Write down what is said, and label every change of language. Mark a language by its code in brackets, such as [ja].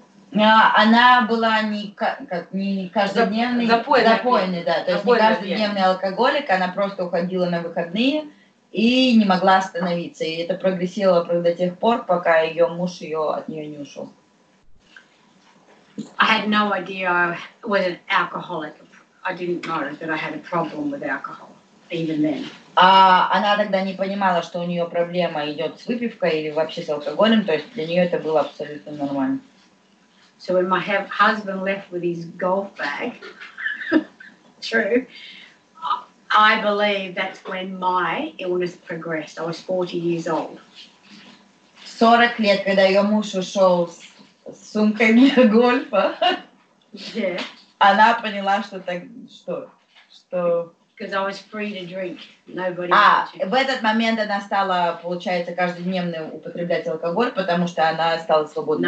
[ru] Но она была не каждодневной, запойной, да, то есть не каждодневный алкоголик, она просто уходила на выходные и не могла остановиться, и это прогрессировало до тех пор, пока ее муж ее от нее не ушел. [en] I had no idea I was an alcoholic. I didn't know that I had a problem with alcohol, even then. [ru] А она тогда не понимала, что у нее проблема идет с выпивкой или вообще с алкоголем, то есть для нее это было абсолютно нормально. [en] So when my husband left with his golf bag, true, I believe that's when my illness progressed. I was 40 years old. [ru] 40 лет, когда ее муж ушел с сумкой для гольфа, [en] yeah. [ru] Она поняла, что так, что... [en] Because I was free to drink. Nobody [ru] в этот момент она стала, получается, каждодневно употреблять алкоголь, потому что она стала свободной.